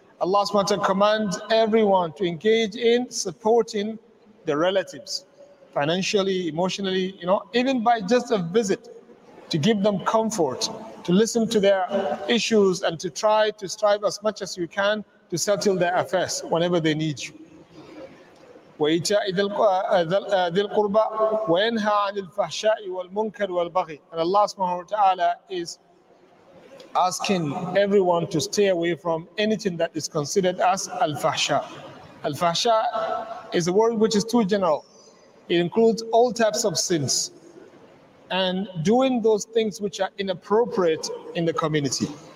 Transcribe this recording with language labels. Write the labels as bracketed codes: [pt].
[en] Allah subhanahu wa ta'ala commands everyone to engage in supporting their relatives financially, emotionally, you know, even by just a visit, to give them comfort, to listen to their issues, and to try to strive as much as you can to settle their affairs whenever they need you. [ar] وَإِيْتَاءِ ذِي الْقُرْبَى وَيَنْهَى عَنِ الْفَحْشَاءِ وَالْمُنْكَرِ وَالْبَغِيِ. [en] And Allah subhanahu wa ta'ala is asking everyone to stay away from anything that is considered as al-fahsha. Al-fahsha is a word which is too general. It includes all types of sins and doing those things which are inappropriate in the community.